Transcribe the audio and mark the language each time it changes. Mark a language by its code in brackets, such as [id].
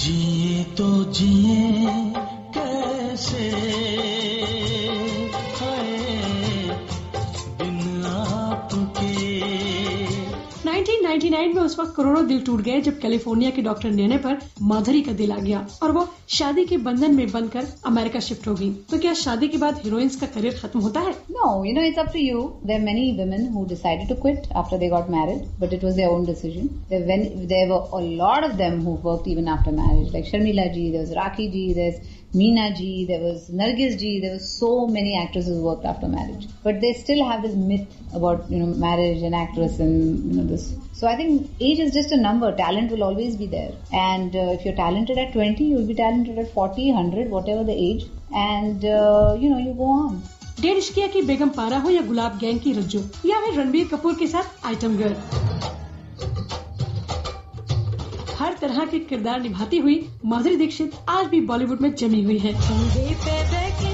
[hi] जिए तो जिए कैसे बिन आपके। 1999 में उस वक्त करोड़ों दिल टूट गए जब कैलिफोर्निया के डॉक्टर नेने पर माधुरी का दिल आ गया और वो शादी के बंधन में बंधकर अमेरिका शिफ्ट हो गई। तो क्या शादी के बाद हीरोइंस का करियर खत्म होता है? [en] No, you know it's up to you. There are many women who decided to quit after they got married, but it was their own decision. There were a lot of them who worked even after marriage, like Sharmila ji, there was Rakhi ji, there's Meena ji, there was Nargis ji, there were so many actresses who worked after marriage. But they still have this myth about, you know, marriage and actress and, you know, this. So I think age is just a number. Talent will always be there. And if you're talented at 20, you'll be talented at 40, 100, whatever the age. And, you know, you go on. [hi] डेढ़ इश्किया की बेगम पारा हो या गुलाब gang की रज्जो या फिर रणबीर कपूर के साथ आइटम गर्ल, हर तरह के किरदार निभाती हुई माधुरी दीक्षित आज भी बॉलीवुड में जमी हुई है।